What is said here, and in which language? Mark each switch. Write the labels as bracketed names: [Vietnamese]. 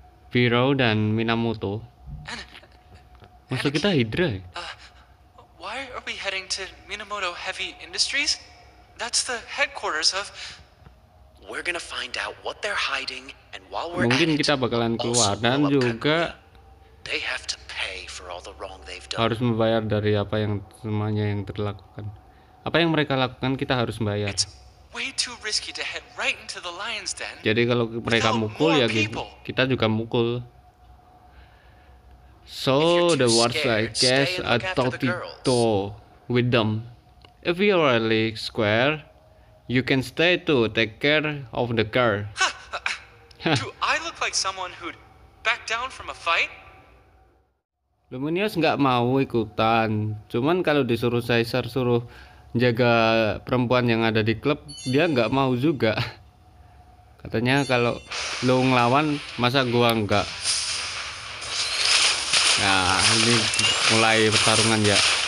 [Indonesian] Bureau dan Minamoto. Maksud kita Hydra. [English] Why are we heading to Minamoto Heavy Industries? That's the headquarters of. We're gonna find out what they're hiding, and while we're [Indonesian] mungkin [English] at [Indonesian] kita bakalan keluar dan juga [English] they have to pay for all the wrong they've done. [Indonesian] Harus membayar dari apa yang semuanya yang terlakukan. Apa yang mereka lakukan kita harus membayar. [English] It's way too risky to head right into the lion's den. [Indonesian] Jadi kalau mereka mukul ya kita juga mukul. [English] So the worst I guess I thought it with them. If you are really square, you can stay to take care of the car. Do I look like someone who'd back down from a fight? [Indonesian] Luminous nggak mau ikutan. Cuman kalau disuruh Caesar suruh jaga perempuan yang ada di klub, dia nggak mau juga. Katanya kalau lu ngelawan, masa gua nggak. Nah, ini mulai pertarungan ya.